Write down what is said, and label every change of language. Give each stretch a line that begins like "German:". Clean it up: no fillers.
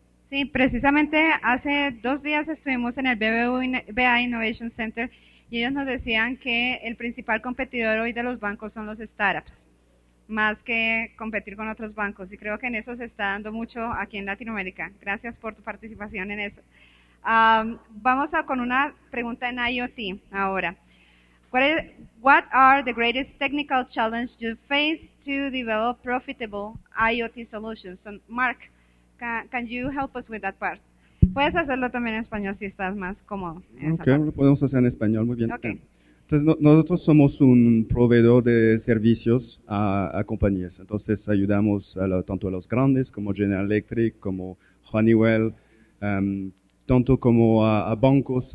Spanish: Sí, precisamente hace dos días estuvimos en el BBVA Innovation Center y ellos nos decían que el principal competidor hoy de los bancos son los startups, más que competir con otros bancos. Y creo que en eso se está dando mucho aquí en Latinoamérica. Gracias por tu participación en eso. Vamos a con una pregunta en IoT ahora.
English: What are the greatest technical challenges you face to develop profitable IoT solutions? So, Marc, can you help us with that part?
Spanish: Puedes hacerlo también en español si estás más cómodo. Ok, lo podemos hacer en español, muy bien. Okay. Entonces, nosotros somos un proveedor de servicios a compañías. Entonces, ayudamos tanto a los grandes como General Electric, como Honeywell, tanto como a bancos.